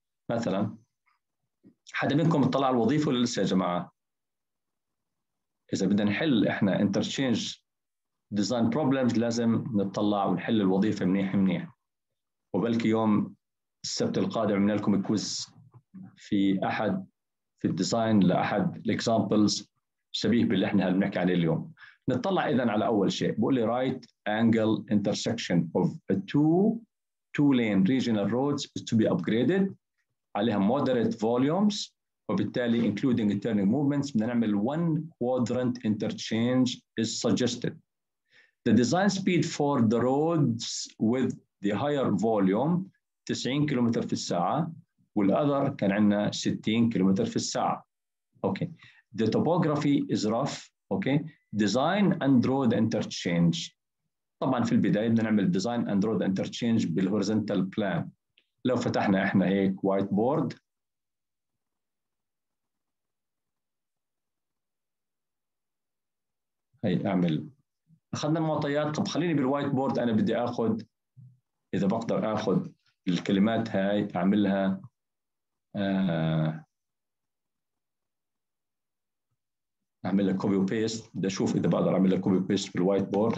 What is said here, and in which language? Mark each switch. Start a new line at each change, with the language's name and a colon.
Arabic: مثلا حدا منكم اطلع على الوظيفة ولا لسه يا جماعة؟ إذا بدنا نحل إحنا
English: interchange design problems
Arabic: لازم نتطلع ونحل الوظيفة منيح منيح، وبلكي يوم السبت القادم عملنا لكم كويز في أحد في الديزاين لأحد الإكزامبلز شبيه باللي إحنا بنحكي عليه اليوم. نطلع إذن على أول شيء، بقول لي
English: right angle intersection of a two lane regional roads is to be upgraded،
Arabic: عليها
English: moderate volumes
Arabic: وبالتالي
English: including turning movements،
Arabic: بدنا نعمل
English: one quadrant interchange is suggested. The design speed for the roads with the higher volume 90 km
Arabic: في الساعة، والأذر كان عندنا
English: 60 km في الساعة. Okay. The topography is rough. Okay. Design and road interchange.
Arabic: طبعا في البداية بدنا نعمل
English: design and road interchange
Arabic: بالhorizontal plan. لو فتحنا احنا هيك whiteboard، هي اعمل اخذنا المعطيات. طب خليني بالwhiteboard، انا بدي اخذ اذا بقدر اخذ الكلمات هاي اعملها اعمل لك كوبي وبيست، بدي اشوف اذا بقدر اعمل لك كوبي وبيست بالوايت بورد.